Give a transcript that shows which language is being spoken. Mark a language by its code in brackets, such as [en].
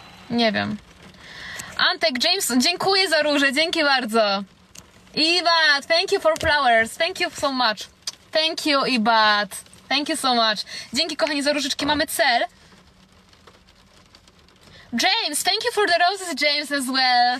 [pl] Nie wiem. Antek James, dziękuję za róże, dzięki bardzo. [en] Ibad, thank you for flowers, thank you so much. Thank you, Ibad, thank you so much. [pl] Dzięki kochani za różyczki, mamy cel. [en] James, thank you for the roses, James as well.